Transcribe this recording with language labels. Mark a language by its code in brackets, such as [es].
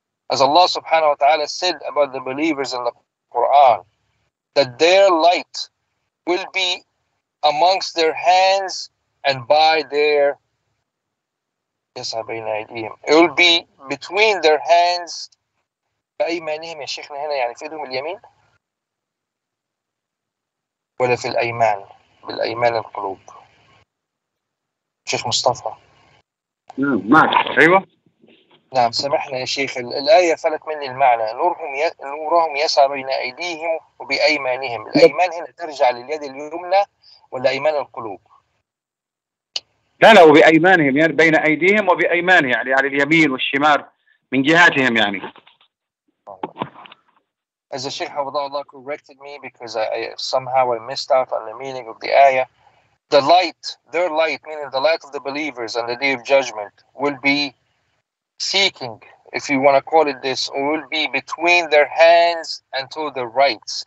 [en] As Allah subhanahu wa ta'ala said about the believers in the Quran, that their light will be amongst their hands and by their it will be between their hands. [ar] بأيمانهم يا شيخنا هنا يعني في يدهم اليمين ولا في الأيمان بالأيمان القلوب شيخ مصطفى أيوة نعم سمحنا يا شيخ الآية فلت مني المعنى نورهم نورهم يسعى بين أيديهم وبأيمانهم الأيمان هنا ترجع لليد اليمنى ولا أيمان القلوب لا لا وبأيمانهم يعني بين أيديهم وبأيمانهم يعني على اليمين والشمال من جهاتهم يعني [en] As the Sheikh Hafidhahullah corrected me because I somehow missed out on the meaning of the ayah. The light, their light, meaning the light of the believers on the day of judgment, will be seeking, if you want to call it this, or will be between their hands and to their rights.